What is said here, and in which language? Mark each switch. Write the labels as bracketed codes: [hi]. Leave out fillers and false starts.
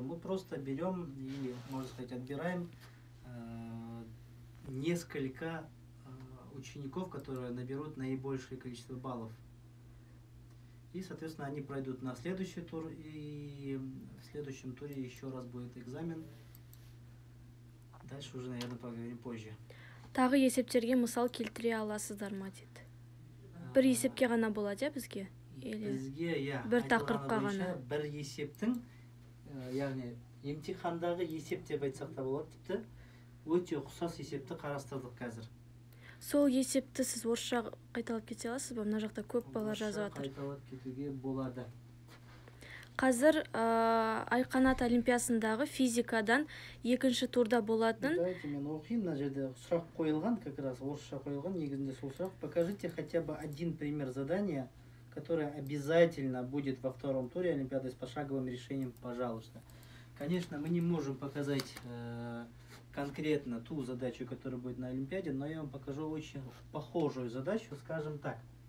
[ru] Мы просто берем и, можно сказать, отбираем несколько учеников, которые наберут наибольшее количество баллов. И, соответственно, они пройдут на следующий тур, и в следующем туре еще раз будет экзамен. Дальше уже, наверное, поговорим позже. [kk] Тағы есептерге мысал келтіре аласыздар ма дейді? Бір есепке ғана болады, а бізге? Бізге, я. Бір тақырыпқа ғана. Бір есептің, яғни, емтихандағы есеп деп айтсақ та болады тіпті, өте ұқсас есепті қарастырдық қазір. Сол есепті сіз орысша қайталап кете аласыз ба? Мына жақта көп бала жазып отыр. Орысша қайталап кетуге болады. Қазір Айқанат олимпиадасындағы физикадан екінші турда болатын. Давайте мен оқиын, мына жерде сұрақ қойылған, [ru] как раз [kk] орысша қойылған, негізінде сол сұрақ. [ru] Покажите хотя бы один пример задания, которое обязательно будет во втором туре олимпиады с пошаговым решением, пожалуйста. Конечно, мы не можем показать конкретно ту задачу, которая будет на олимпиаде, но я вам покажу очень похожую задачу, скажем так.